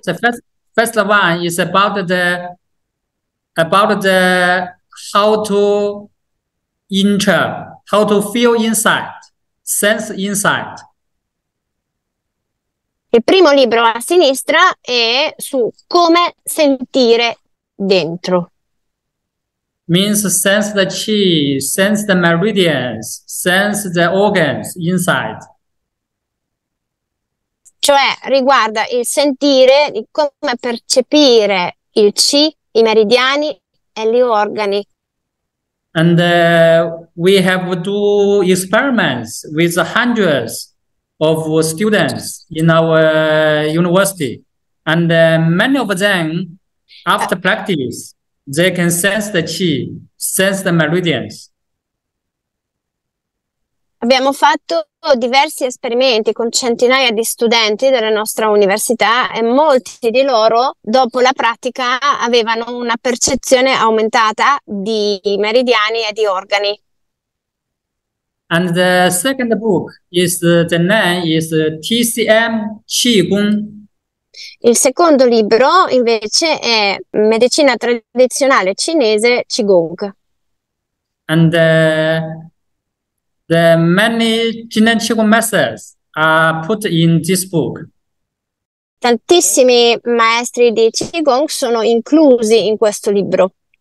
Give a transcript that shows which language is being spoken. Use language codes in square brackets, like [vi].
[en] The first one is about the how to enter, how to feel inside, sense inside. [it] Il primo libro a sinistra è su come sentire dentro. [en] Means sense the chi, sense the meridians, sense the organs inside. [it] Cioè riguarda il sentire, di come percepire il chi, i meridiani e gli organi. [en] And we have do experiments with hundreds of students in our university. And many of them, after practice, they can sense the chi, sense the meridians. [it] Abbiamo fatto diversi esperimenti con centinaia di studenti della nostra università e molti di loro, dopo la pratica, avevano una percezione aumentata di meridiani e di organi. [en] And the second book is the name is TCM Qigong. [it] Il secondo libro invece è Medicina tradizionale cinese Qigong. [en] And the many Qigong methods are put in this book. [it] Tantissimi maestri di Qigong sono inclusi in questo libro.